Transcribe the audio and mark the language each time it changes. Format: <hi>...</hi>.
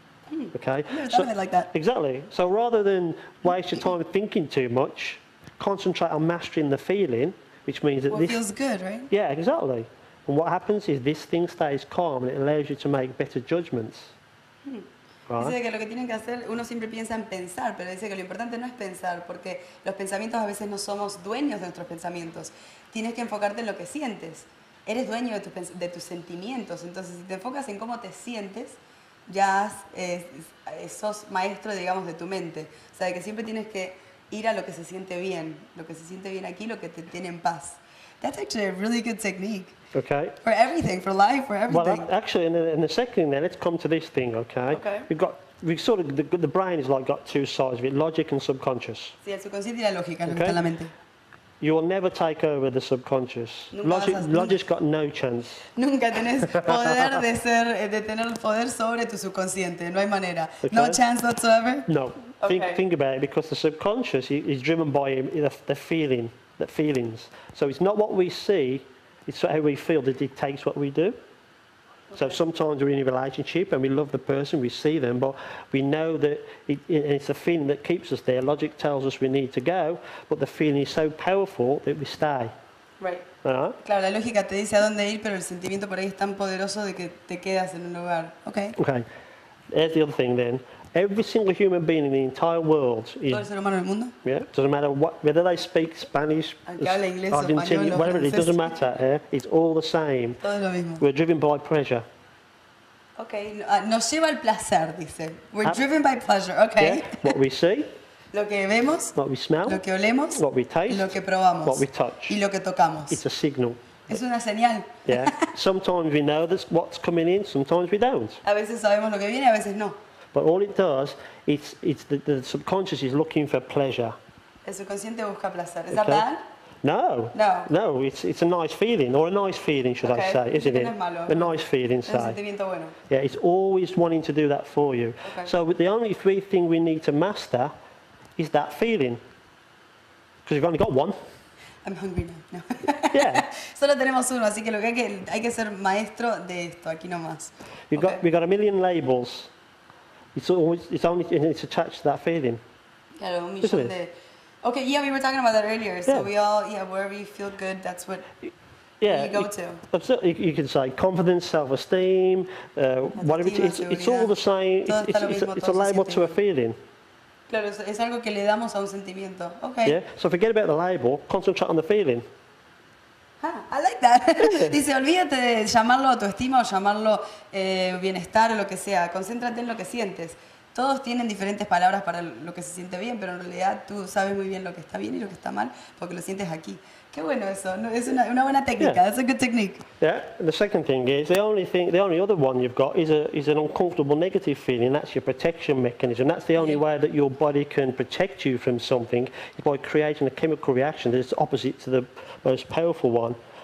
<en>Hmm. Okay? Yeah, something like that. Exactly. So rather than waste your time thinking too much, concentrate on mastering the feeling, which means that it feels good, right? Yeah, exactly. And what happens is this thing stays calm and it allows you to make better judgments. Right?</en> <es>Dice que lo que tienen que hacer, uno siempre piensa en pensar, pero dice que lo importante no es pensar, porque los pensamientos a veces no somos dueños de nuestros pensamientos. Tienes que enfocarte en lo que sientes. Eres dueño de tus sentimientos. Entonces, si te enfocas en cómo te sientes, ya sos maestro, digamos, de tu mente. O sea, que siempre tienes que ir a lo que se siente bien, lo que se siente bien aquí, lo que te tiene en paz.</es> <en>That's actually a really good technique. Okay. For everything, for life, for everything. Well, actually, in the second thing, let's come to this thing, okay? Okay. The brain has like got two sides of it, logic and subconscious.</en> <es>Sí, el subconsciente y la lógica, okay? La mente.</es> <en>You will never take over the subconscious. Logic's got no chance.</en> <es>Nunca tenés poder de tener el poder sobre tu subconsciente. No hay manera. Okay.</es> <en>No chance whatsoever.</en> <es>No. Okay.</es> <en>Think about it, because the subconscious is driven by the feelings. So it's not what we see, it's how we feel that dictates what we do. So sometimes we're in a relationship and we love the person, we see them, but we know that it's a feeling that keeps us there. Logic tells us we need to go, but the feeling is so powerful that we stay. Right.</en> <es>Claro, la lógica te dice a dónde ir, pero el sentimiento por ahí es tan poderoso de que te quedas en un lugar.</es> <en>Okay. Okay. Here's the other thing then. Every single human being in the entire world is...</en> <es>¿Todo el ser humano del mundo?</es> <en>Yeah, doesn't matter whether they speak Spanish, Argentina, whatever, it doesn't matter. Yeah? It's all the same.</en> <es>Todo lo mismo.</es> <en>We're driven by pleasure.</en> <es>Okay, nos lleva al placer, dice.</es> <en>We're driven by pleasure,</en> <es>okay.</es> <en>Yeah? What we see.</en> <es>Lo que vemos.</es> <en>What we smell.</en> <es>Lo que olemos.</es> <en>What we taste.</en> <es>Lo que probamos.</es> <en>What we touch.</en> <es>Y lo que tocamos.</es> <en>It's a signal.</en> <es>Es una señal.</es> <en>Yeah, sometimes we know this, what's coming in, sometimes we don't.</en> <es>A veces sabemos lo que viene, a veces no.</es> <en>But all it does, it's the subconscious is looking for pleasure.</en> <es>El subconsciente busca placer.</es> <en>Is that bad? No. No. No, it's a nice feeling, or a nice feeling, should I say, isn't it?</en> <es>Malo.</es> <en>A nice feeling, say.</en> <es>Un sentimiento bueno.</es> <en>Yeah, it's always wanting to do that for you. Okay. So the only three thing we need to master is that feeling. Because you've only got one. I'm hungry now. No. Yeah.</en> <es>Solo tenemos uno, así que lo que hay que ser maestro de esto, aquí nomás.</es> <en>We've got a million labels. It's attached to that feeling.</en> <es>Claro, un millón de...</es> <en>Okay, yeah, we were talking about that earlier. So we all, wherever you feel good, that's what you go to. Absolutely, you can say confidence, self-esteem, whatever. It's all the same. It's a label to a feeling.</en> <es>Claro, es algo que le damos a un sentimiento.</es> <en>Okay. Yeah, so forget about the label, concentrate on the feeling. Ah, I like that.</en> <es>Dice, olvídate de llamarlo autoestima o llamarlo bienestar o lo que sea. Concéntrate en lo que sientes. Todos tienen diferentes palabras para lo que se siente bien, pero en realidad tú sabes muy bien lo que está bien y lo que está mal porque lo sientes aquí. Qué bueno eso. No, es una buena técnica. Yeah.</es> <en>That's a good technique. Yeah. The second thing is the only other one you've got is an uncomfortable negative feeling. That's your protection mechanism. That's the only way that your body can protect you from something is by creating a chemical reaction that is opposite to the most powerful one.</en>